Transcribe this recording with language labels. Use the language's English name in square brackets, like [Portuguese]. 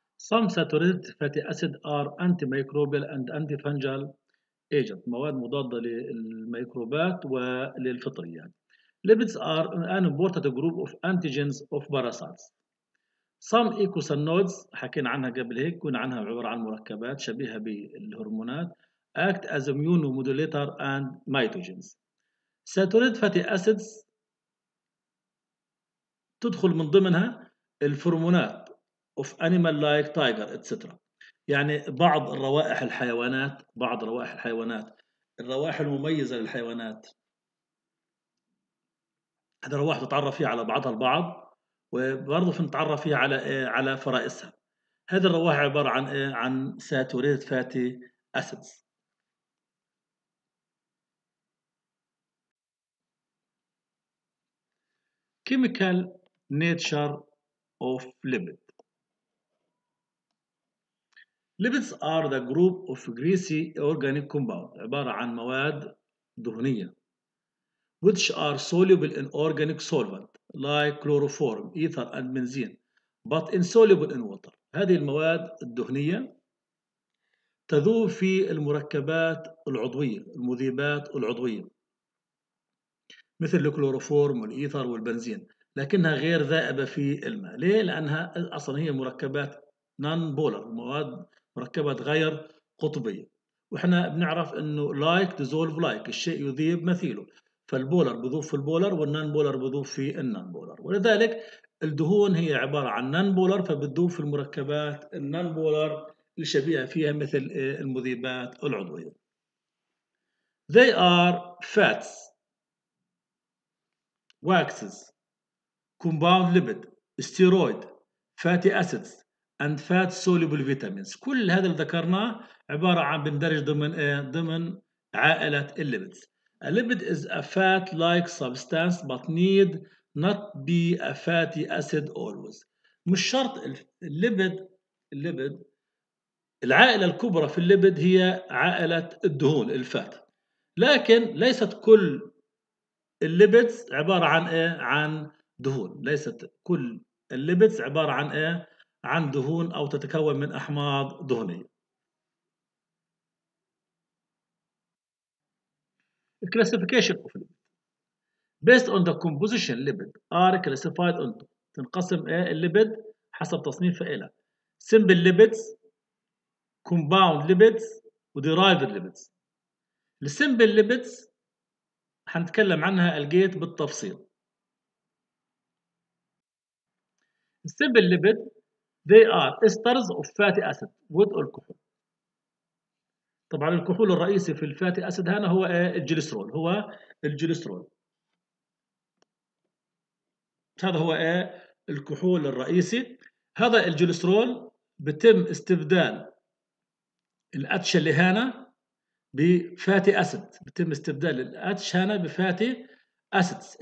[English] Some saturated fatty acid are antimicrobial and antifungal agent، [Arabic] مواد مضاده للميكروبات وللفطريات. [English] Lipids are an important group of antigens of parasites. Some eicosanoids [Arabic] حكينا عنها قبل هيك، كنا عنها عباره عن مركبات شبيهه بالهرمونات. [English] Act as immunomodulator and mitogens. Saturated fatty acids [Arabic] تدخل من ضمنها الفرمونات [English] of animal like tiger etc، [Arabic] يعني بعض الروائح الحيوانات، بعض روائح الحيوانات، الروائح المميزة للحيوانات، هذه الروائح تتعرف فيها على بعضها البعض، وبرضه نتعرف فيها على إيه؟ على فرائسها. هذه الروائح عبارة عن إيه؟ عن [English] saturated fatty acids. chemical nature of lipid. Lipids are the group of greasy organic compounds، [Arabic] عبارة عن مواد دهنية. [English] Which are soluble in organic solvent like chloroform, ether and benzene, but insoluble in water. [Arabic] هذه المواد الدهنية تذوب في المركبات العضوية، المذيبات العضوية، مثل الكلوروفورم والإيثر والبنزين، لكنها غير ذائبة في الماء. ليه؟ لأنها أصلا هي مركبات [English] non-polar، [Arabic] مواد مركبات غير قطبية، وإحنا بنعرف إنه [English] like dissolve like، [Arabic] الشيء يذيب مثيله، فالبولر بيذوب في البولر والنان بولر بيذوب في النان بولر، ولذلك الدهون هي عبارة عن نان بولر، فبتذوب في المركبات النان بولر الشبيهة فيها مثل المذيبات العضوية. [English] They are fats, waxes, compound lipid, steroid, fatty acids and fat soluble vitamins. [Arabic] كل هذا اللي ذكرناه عبارة عن بندرج ضمن ضمن عائلة الليبيدز. [English] A lipid is a fat like substance but need not be a fatty acid always. [Arabic] مش شرط الليبيد العائلة الكبرى في الليبيد هي عائلة الدهون الفات، لكن ليست كل الليبيدز عبارة عن ايه؟ عن دهون. ليست كل الليبيدز عبارة عن ايه؟ عن دهون أو تتكون من أحماض دهنية. [English] Classification of lipid based on the composition lipid are classified into، [Arabic] تنقسم إيه الليبيد حسب تصنيف إلى [English] simple lipids, compound lipids وderived lipids. The simple lipids [Arabic] هنتكلم عنها الجيت بالتفصيل. [English] Simple lipid they are esters of fatty acid with alcohol. [Arabic] طبعا الكحول الرئيسي في الفاتي اسيد هنا هو الجليسترول، هو الجليسترول، هذا هو الكحول الرئيسي. هذا الجليسترول بتم استبدال الاتش اللي هنا بفاتي اسيد، بتم استبدال الاتش هنا بفاتي اسيد.